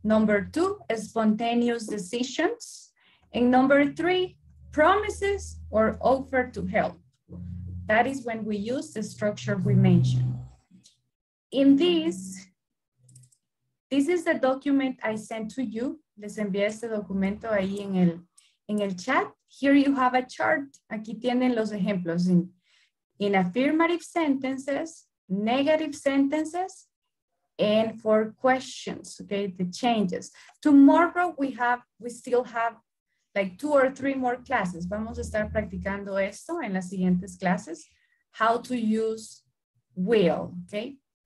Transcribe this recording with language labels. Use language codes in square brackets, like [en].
[en] Number two, spontaneous decisions. And number three, promises or offer to help. That is when we use the structure we mentioned. In this, this is the document I sent to you. [es] Les envié este documento ahí en el chat. [en] Here you have a chart. [es] Aquí tienen los ejemplos. [en] In affirmative sentences, negative sentences, and for questions, okay, the changes. Tomorrow we still have like two or three more classes. [es] Vamos a estar practicando esto en las siguientes clases, [en] how to use will, [es] okay?